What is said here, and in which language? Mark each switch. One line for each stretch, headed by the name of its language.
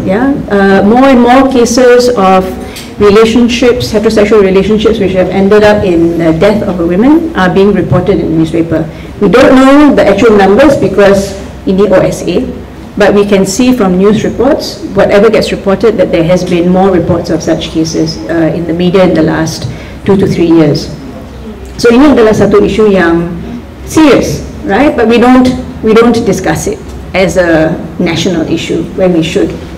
English: Yeah, more and more cases of relationships, heterosexual relationships, which have ended up in the death of a woman, are being reported in the newspaper. We don't know the actual numbers because in the OSA, but we can see from news reports, whatever gets reported, that there has been more reports of such cases in the media in the last 2 to 3 years.
Indonesian: So ini adalah satu isu yang serious, right?
English: But we don't discuss it as a national issue when we should.